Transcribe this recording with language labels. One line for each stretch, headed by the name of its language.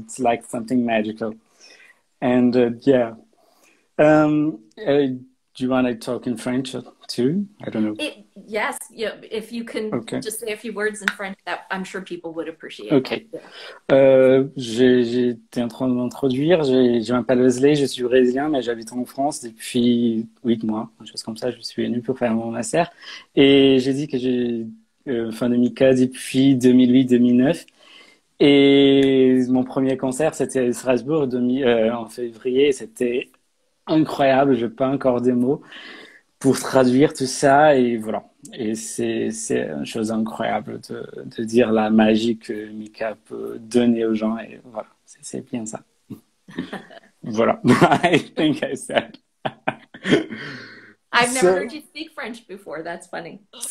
English: It's like something magical. And do you want to talk in French too? I don't know. Yes. Yeah. If you can just say a few words in French, that I'm sure people would appreciate.
French: Okay. J'étais en train de m'introduire. Je m'appelle Wesley. Je suis brésilien, mais j'habite en France depuis 8 mois. Une chose comme ça. Je suis venu pour faire mon master. Et j'ai dit que j'ai de Mika depuis 2008-2009. Et mon premier concert, c'était à Strasbourg en février. C'était incroyable. Je n'ai pas encore des mots pour traduire tout ça, et voilà. Et c'est une chose incroyable de dire la magie que Mika peut donner aux gens, et voilà, c'est bien ça.
English: Voilà. I think I said. I've never heard you speak French before, that's funny.